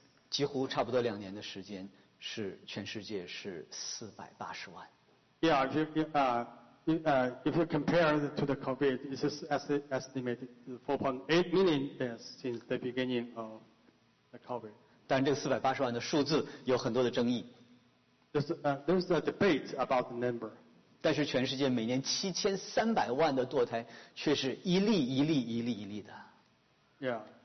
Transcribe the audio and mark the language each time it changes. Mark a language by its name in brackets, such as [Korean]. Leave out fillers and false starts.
[Chinese] 几乎差不多两年的时间，是全世界是480万。 [English] If you compare to the COVID, it is estimated 4.8 million deaths since the beginning of the COVID. [Chinese] 但这480万的数字有很多的争议。 [English] There's a debate about the number. [Chinese] 但是全世界每年7300万的堕胎，却是一例一例一例一例的。